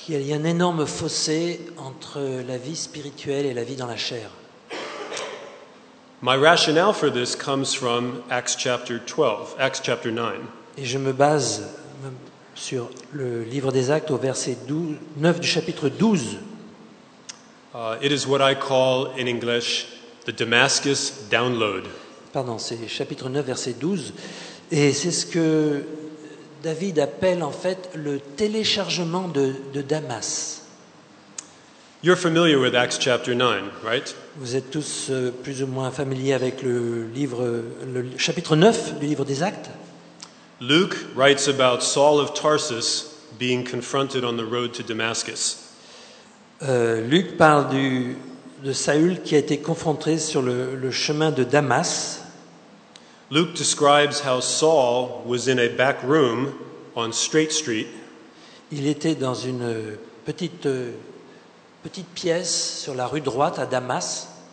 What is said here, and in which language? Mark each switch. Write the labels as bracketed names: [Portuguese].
[French] Il y a un énorme fossé entre la vie spirituelle et la vie dans la chair. [English] My rationale for this comes from Acts chapter 12, Acts chapter 9. [French] Et je me base sur le livre des Actes au verset 9 du chapitre 12. [English] It is what I call in English the Damascus download. [French] Pardon, c'est chapitre 9, verset 12. Et c'est ce que David appelle en fait le téléchargement de Damas. [English] You're familiar with Acts chapter 9, right? [French] Vous êtes tous plus ou moins familiers avec le chapitre 9 du livre des Actes. [English] Luke writes about Saul of Tarsus being confronted on the road to Damascus. [French] Luke parle de Saül qui a été confronté sur le chemin de Damas. [English] Luke describes how Saul was in a back room on Straight Street. [French] Il était dans une petite pièce sur la rue droite à Damas.